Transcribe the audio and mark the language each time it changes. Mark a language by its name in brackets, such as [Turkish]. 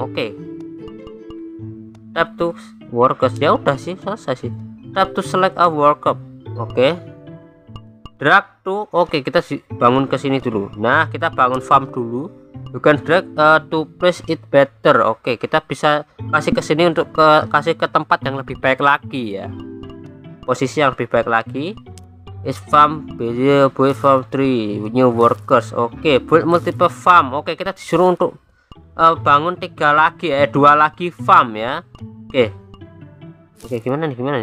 [English] Oke, tap to workers. [Indonesian] Ya udah sih, selesai sih. [English] Tap to select a worker. [Indonesian] Oke. [English] Drag to, [Indonesian] oke, kita bangun ke sini dulu. Nah, kita bangun farm dulu. [English] You can drag to place it better. [Indonesian] Oke, kita bisa kasih ke sini untuk kasih ke tempat yang lebih baik lagi ya. Posisi yang lebih baik lagi. [English] It's farm, build farm tree, new workers. Oke, build multiple farm. [Indonesian] Oke, kita disuruh untuk bangun dua lagi farm ya. Oke. Oke, gimana nih?